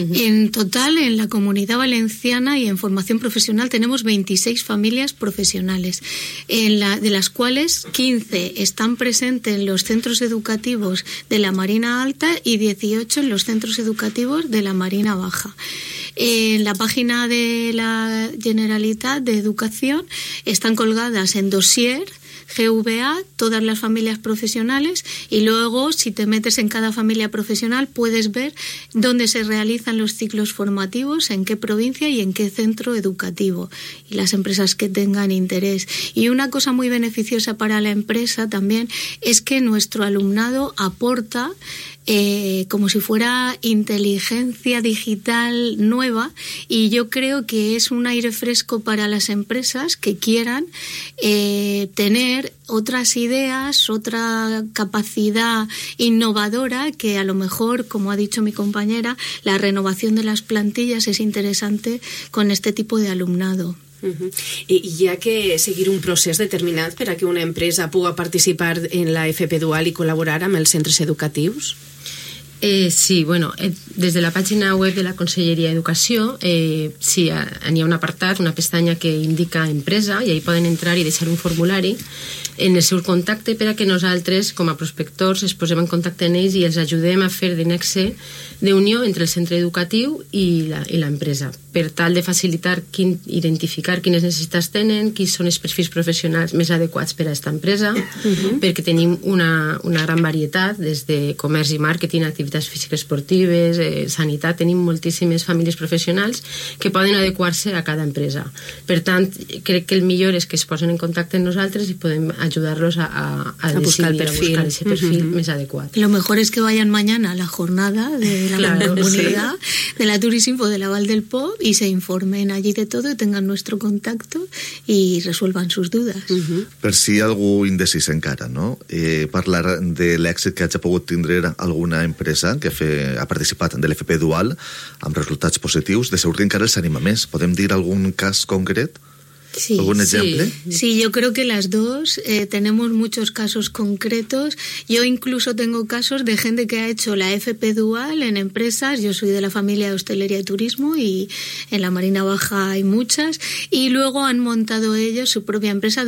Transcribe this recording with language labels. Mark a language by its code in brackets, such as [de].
[ca] En total, en la Comunitat Valenciana i en formació professional [es] tenemos [ca] 26 famílies professionals, de les quals 15 estan presents en els centres educatius de la Marina Alta i 18 en els centres educatius de la Marina Baja. En la pàgina de la Generalitat d'Educació estan colgades en dossier GVA, [es] todas las familias profesionales, y luego si te metes en cada familia profesional puedes ver dónde se realizan los ciclos formativos, en qué provincia y en qué centro educativo, y las empresas que tengan interés. Y una cosa muy beneficiosa para la empresa también es que nuestro alumnado aporta como si fuera inteligencia digital nueva, y yo creo que es un aire fresco para las empresas que quieran tener otras ideas, otra capacidad innovadora, que a lo mejor, como ha dicho mi compañera, la renovación de las plantillas es interesante con este tipo de alumnado. Uh-huh. [ca] I hi ha que seguir un procés determinat per a que una empresa pugui participar en la FP Dual i col·laborar amb els centres educatius? Sí, bueno, des de la pàgina web de la Conselleria d'Educació sí, hi ha un apartat, una pestanya que indica empresa, i ahí poden entrar i deixar un formulari en el seu contacte per a que nosaltres, com a prospectors, es posem en contacte amb ells i els ajudem a fer de nexe de unió entre el centre educatiu i l'empresa, per tal de facilitar identificar quines necessitats tenen, quins són els perfils professionals més adequats per a aquesta empresa, perquè tenim una gran varietat, des de comerç i màrqueting, activitats físiques esportives, sanitat, tenim moltíssimes famílies professionals que poden adequar-se a cada empresa. Per tant, crec que el millor és que es posen en contacte amb nosaltres i podem ajudar-los a buscar ese perfil més adequat. [es] Lo mejor es que vayan mañana a la jornada de la comunidad, de la Turismo de la Val del Po, y se informen allí de todo, tengan nuestro contacto y resuelvan sus dudas. [ca] Per si algú indecís encara, no? Parlar de l'èxit que hagi pogut tindre alguna empresa que ha participat de l'FP Dual amb resultats positius, de segur que encara els anima més. Podem dir algun cas concret? Sí, [es] ¿algún ejemplo? Sí, yo creo que las dos tenemos muchos casos concretos. Yo incluso tengo casos de gente que ha hecho la FP Dual en empresas. Yo soy de la familia de hostelería y turismo, y en la Marina Baja hay muchas, y luego han montado ellos su propia empresa.